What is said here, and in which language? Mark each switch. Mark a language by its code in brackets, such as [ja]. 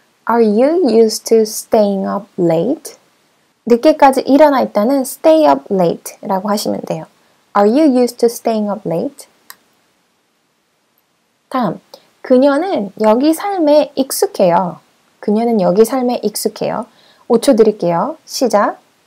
[en] Are you used to staying up late? [ko] 늦게까지 일어나 있다는 [en] stay up late [ko] 라고 하시면 돼요. [en] Are you used to staying up late? [ko] 다음. 그녀는 여기 삶에 익숙해요. 그녀는 여기 삶에 익숙해요. 5초 드릴게요. 시작.